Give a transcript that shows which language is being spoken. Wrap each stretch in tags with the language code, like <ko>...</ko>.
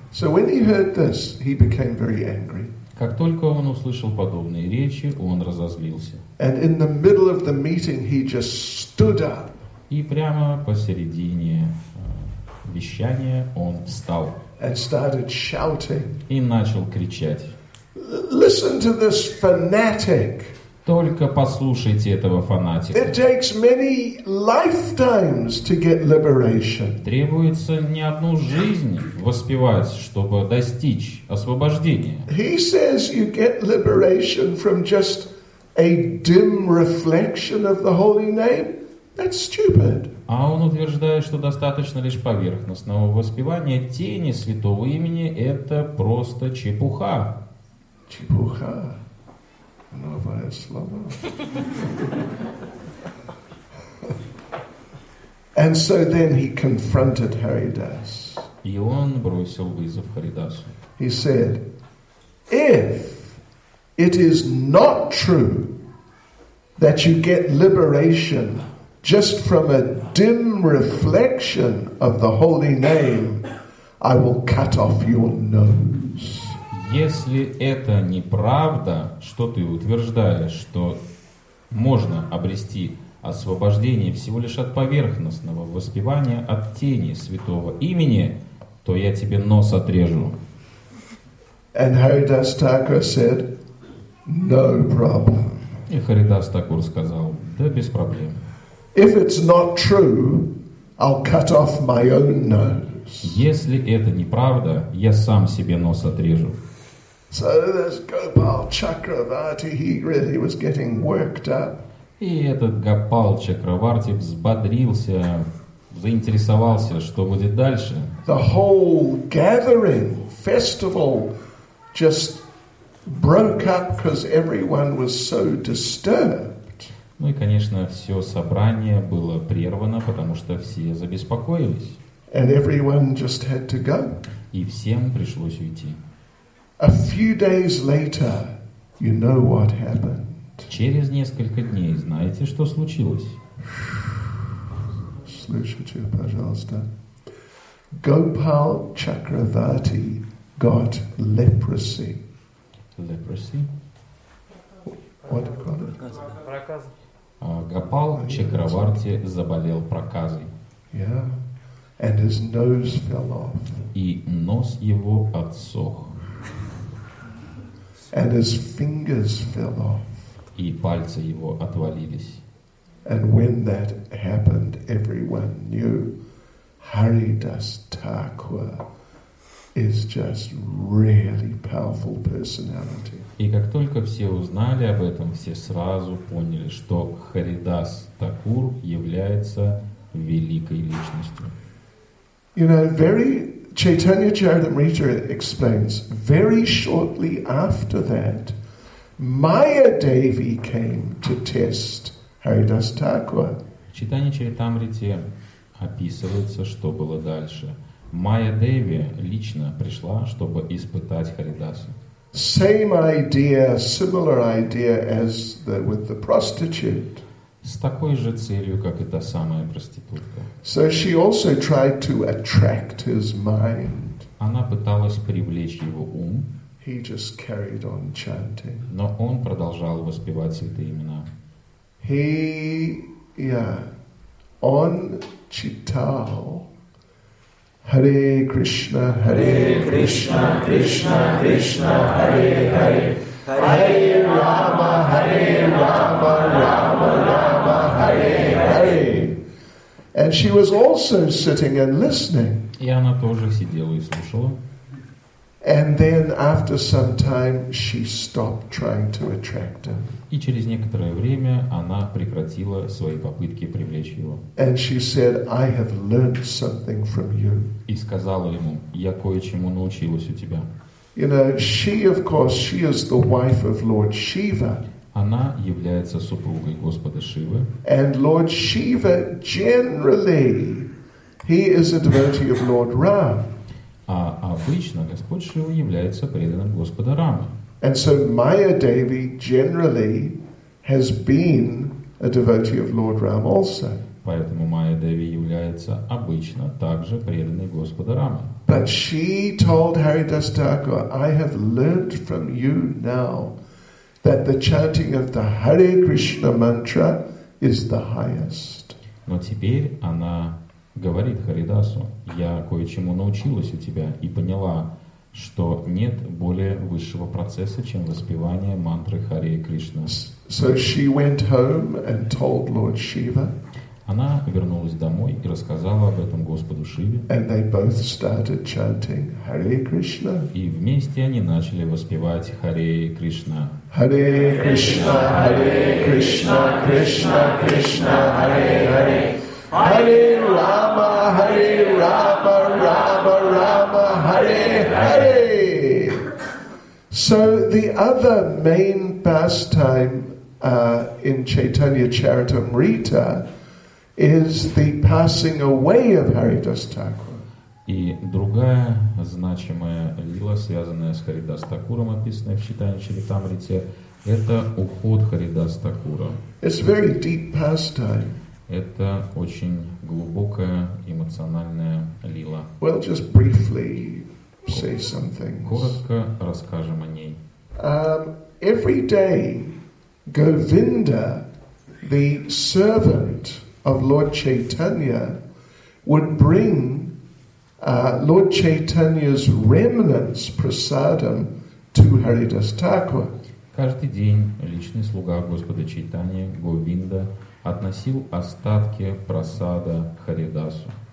<en>So when he heard this, he became very angry.</en> <ru>Как только он услышал подобные речи, он разозлился.</ru> <en>And in the middle of the meeting, he just stood up.</en> <ru>И прямо посередине вещания он встал.</ru> <en>And started shouting.</en> <ru>И начал кричать.</ru> <en>Listen to this fanatic.</en> <ru>Только послушайте этого фанатика.</ru> <en>It takes many lifetimes to get liberation.</en> <ru>Требуется не одну жизнь воспевать, чтобы достичь освобождения.</ru> <en>He says you get liberation from just a dim reflection of the holy name. That's stupid.</en> <ru>А он утверждает, что достаточно лишь поверхностного воспевания тени святого имени. Это просто чепуха. Чепуха. Новое слово.</ru> <en>And so then he confronted Haridas.</en> <ru>И он бросил вызов Харидасу.</ru> <en>He said, if it is not true that you get liberation just from a dim reflection of the holy name, I will cut off your nose.</en> <ru>Если это неправда, что ты утверждаешь, что можно обрести освобождение всего лишь от поверхностного воспевания, от тени святого имени, то я тебе нос отрежу.</ru> <en>And Haridas Thakur said, no problem.</en> <ru>И Харидас Такур сказал, да без проблем.</ru> <en>If it's not true, I'll cut off my own nose.</en> <ru>Если это неправда, я сам себе нос отрежу.</ru> <en>So this Gopal Chakravarti, he really was getting worked up.</en> <ru>И этот Гопал Чакраварти взбодрился, заинтересовался, что будет дальше.</ru> <en>The whole gathering festival just broke up because everyone was so disturbed.</en> <ru>Ну и, конечно, все собрание было прервано, потому что все забеспокоились.</ru> <en>And everyone just had to go.</en> <ru>И всем пришлось уйти.</ru> <en>A few days later, you know what happened.</en> <ru>Через несколько дней, знаете, что случилось? Слышите, пожалуйста.</ru> <en>Gopal Chakravarti got leprosy. Leprosy? What do you call it?</en> <ru>Проказа. Гопал Чакраварти заболел проказой.</ru> <en>Yeah. And his nose fell off.</en> <ru>И нос его отсох.</ru> <en>And his fingers fell off.</en> <ru>И пальцы его отвалились.</ru> <en>And when that happened, everyone knew Haridas Thakur is just really powerful personality.</en> <ru>И как только все узнали об этом, все сразу поняли, что Харидас Такур является великой личностью.</ru> <en>You know, very Chaitanya Charitamrita explains, very shortly after that, Maya Devi came to test Haridas Thakur.</en> <ru>Chaitanya Charitamrita описывается, что было дальше. Майя Деви лично пришла, чтобы испытать Харидасу.</ru> <en>Same idea, similar idea as the, with the prostitute.</en> <ru>С такой же целью, как и та самая проститутка.</ru> <en>So she also tried to attract his mind.</en> <ru>Она пыталась привлечь его ум.</ru> <en>He just carried on chanting.</en> <ru>Но он продолжал воспевать святые имена.</ru> <en>He, yeah, on chital.</en> <sa>Hare Krishna, Hare Krishna, Krishna Krishna, Hare Hare. Hare Rama, Hare Rama, Rama Rama, Hare Hare.</sa> <en>And she was also sitting and listening.</en> <ru>И она тоже сидела и слушала.</ru> <en>And then after some time she stopped trying to attract him.</en> <ru>И через некоторое время она прекратила свои попытки привлечь его.</ru> <en>And she said, I have learned something from you.</en> <ru>И сказала ему, я кое-чему научилась у тебя.</ru> <en>You know, she, of course, she is the wife of Lord Shiva.</en> <ru>Она является супругой Господа Шивы.</ru> <en>And Lord Shiva generally, he is a devotee of Lord Ram.</en> <ru>А обычно Господь Шива является преданным Господа Рамы.</ru> <en>And so Maya Devi generally has been a devotee of Lord Ram also.</en> <ru>Поэтому Майя Деви является обычно также преданной Господа Рамы.</ru> <en>But she told Haridas Thakur, I have learned from you now that the chanting of the Hare Krishna mantra is the highest.</en> <ru>Но теперь она говорит Харидасу, я кое-чему научилась у тебя и поняла, что нет более высшего процесса, чем воспевание мантры Харе Кришна.</ru> <en>So she went home and told Lord Shiva.</en> <ru>Она вернулась домой и рассказала об этом Господу Шиве.</ru> <en>And they both started chanting Hare Krishna.</en> <ru>И вместе они начали воспевать Харе Кришна.</ru> <sa>Hare Krishna, Hare Krishna, Krishna Krishna, Hare Hare. Hare Rama, Hare Rama, Rama Rama, Hare Hare.</sa> <en>So the other main pastime in Chaitanya Charitamrita is the passing away of Haridas Thakur.</en> <ru>И другая значимая лила, связанная с Харидас Такуром, описанная в Чайтанья Чаритамрите, это уход Харидас Такура.</ru> <en>It's very deep pastime.</en> <ru>Это очень глубокая эмоциональная лила.</ru> <en>Well, just briefly say some things.</en> <ru>Коротко расскажем о ней.</ru> <en>Every day, Govinda, the servant of Lord Chaitanya, would bring Lord Chaitanya's remnants, prasadam, to Haridas Thakur.</en> <ru>Каждый день личный слуга Господа Чайтаньи, Говинда, относил остатки просада Харидасу.</ru>